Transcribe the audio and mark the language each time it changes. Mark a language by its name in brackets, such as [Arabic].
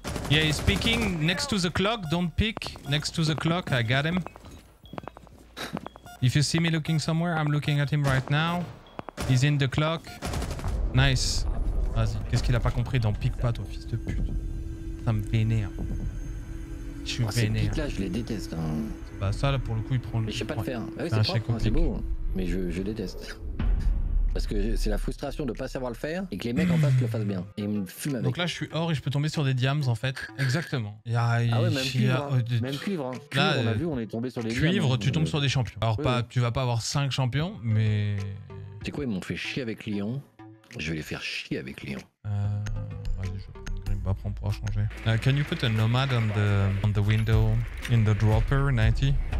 [English] Yeah, he's peeking next to the clock, don't peek. Next to the clock, I got him. If you see me looking somewhere, I'm looking at him right now. He's in the clock. Nice. [French] Vas-y, qu'est-ce qu'il a pas compris? [English] Don't peek [French] pas, toi, fils de pute. Ça me vénère. Je suis vénère. Ces pics-là, je les déteste. Hein. Bah ça, là, pour le coup, il prend le... Mais je sais pas le faire. Ouais, c'est propre, c'est beau. Mais je déteste. Parce que c'est la frustration de pas savoir le faire et que les mecs en face le fassent bien. Et ils me fument avec. Donc là, je suis or et je peux tomber sur des diams en fait. Exactement. Y a, même cuivre. Hein. Cuivre là, on a vu, on est tombé sur les cuivre, diams. Cuivre, tu tombes sur des champions. Alors, oui, pas, oui. Tu vas pas avoir 5 champions, mais. Tu sais quoi, ils m'ont fait chier avec Lyon. Je vais les faire chier avec Lyon. Vas-y, je vais prendre Grimba, on pourra changer. [English] Can you put a Nomad on the window in the dropper 90?